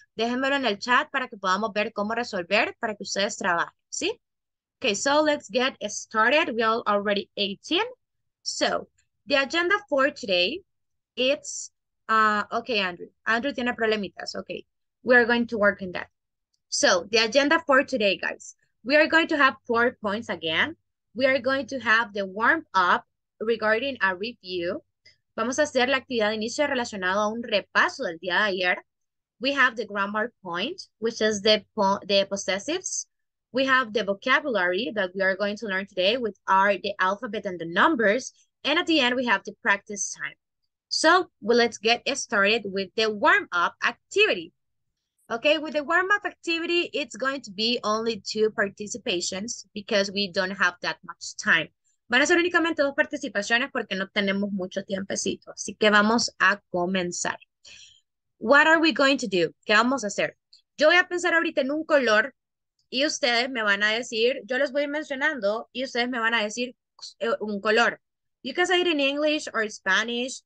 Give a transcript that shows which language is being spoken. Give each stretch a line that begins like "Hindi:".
Spanish: Déjenmelo en el chat para que podamos ver cómo resolver para que ustedes trabajen, ¿sí?
English: Okay, so let's get started. We are already 18. So, the agenda for today, it's okay, Andrew. Andrew
Spanish: tiene problemitas.
English: Okay, we are going to work on that. So, the agenda for today, guys. We are going to have 4 points again. We are going to have the warm up regarding a review.
Spanish: Vamos a hacer la actividad de inicio relacionado a un repaso del día de ayer.
English: We have the grammar point, which is the possessives. We have the vocabulary that we are going to learn today, which are the alphabet and the numbers. And at the end, we have the practice time. So well, let's get started with the warm-up activity. Okay, with the warm-up activity, it's going to be only two participations because we don't have that much time.
Spanish: Van a ser únicamente dos participaciones porque no tenemos mucho tiempecito. Así que vamos a comenzar.
English: What are we going to do?
Spanish: ¿Qué vamos a hacer? Yo voy a pensar ahorita en un color y ustedes me van a decir, yo les voy mencionando y ustedes me van a decir un color.
English: You can say it in English or Spanish.